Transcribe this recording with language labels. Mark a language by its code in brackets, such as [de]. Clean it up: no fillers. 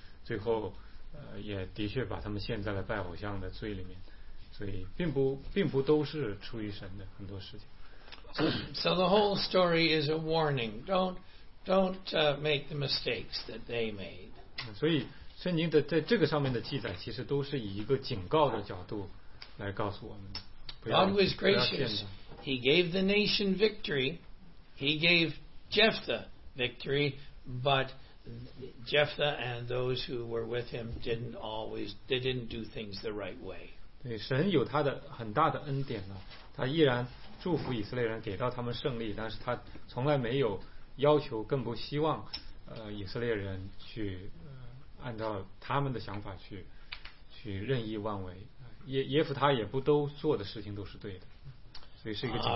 [zh] 最后也的确把他们陷在了拜偶像的罪里面，所以并不都是出于神的很多事情。 [en] So the whole story is a warning. Don't make the mistakes that they made. [zh] 所以圣经的在这个上面的记载其实都是以一个警告的角度来告诉我们的。 [en] God was gracious. He gave the nation victory. He gave Jephthah victory, but Jephthah and those who were with him didn't do things the right way. [zh] 对，神有他的很大的恩典了，他依然祝福以色列人，给到他们胜利，但是他从来没有要求，更不希望以色列人去按照他们的想法去任意妄为。耶弗他也不都做的事情都是对的，所以是一个警告。